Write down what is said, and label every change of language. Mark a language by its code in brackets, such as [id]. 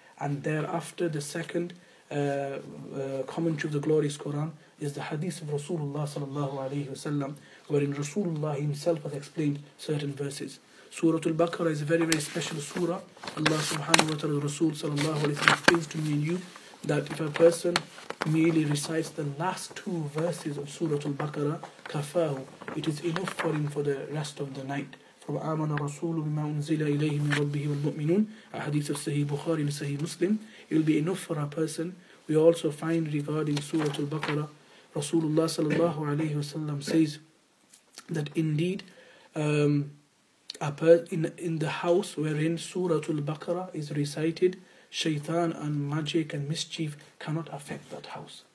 [en] And thereafter, the second commentary of the glorious Quran is the hadith of Rasulullah sallallahu alayhi wasallam, wherein Rasulullah himself has explained certain verses. Surah Al-Baqarah is a very, very special surah. Allah subhanahu wa ta'ala, Rasul sallallahu alayhi wasallam, explains to me and you that if a person merely recites the last two verses of Surah Al-Baqarah, kafahu, it is enough for him for the rest of the night. [ar] وآمن الرسول بما أنزل إليه من ربه والمؤمنون أحاديث صحيح بخاري صحيح مسلم. [en] It will be enough for a person. We also find regarding Surah Al-Baqarah, Rasulullah sallallahu alayhi wa sallam says that indeed in the house wherein Surah Al-Baqarah is recited, shaitan and magic and mischief cannot affect that house.